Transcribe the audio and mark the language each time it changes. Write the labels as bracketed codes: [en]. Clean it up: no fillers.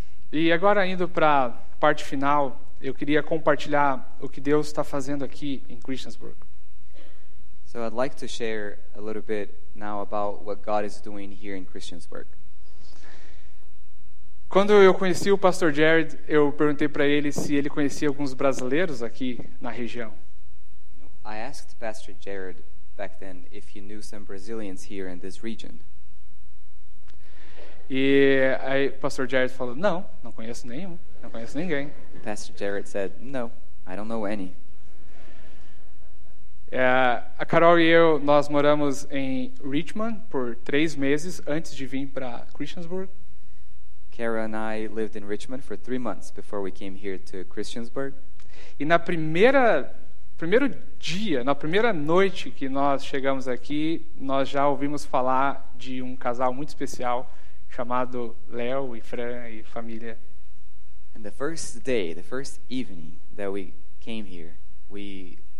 [pt] E agora indo para a parte final, eu queria compartilhar o que Deus está fazendo aqui em Christiansburg. [en] So I'd like to share a little bit now about what God is doing here in Christian's Work. [pt] Quando eu conheci o Pastor Jared, eu perguntei para ele se ele conhecia alguns brasileiros aqui na região. [en] I asked Pastor Jared back then if he knew some Brazilians here in this region. [pt] E aí Pastor Jared falou: "Não, não conheço nenhum, não conheço ninguém." [en] Pastor Jared said, "No, I don't know any." [pt] A Carol e eu, nós moramos em Richmond por 3 meses antes de vir para Christiansburg. [en] Kara and I lived in Richmond for 3 months before we came here to Christiansburg. [pt] E na primeiro dia, na primeira noite que nós chegamos aqui, nós já ouvimos falar de um casal muito especial chamado Léo e Fran e família. [en] And the first day, the first evening that we came here, we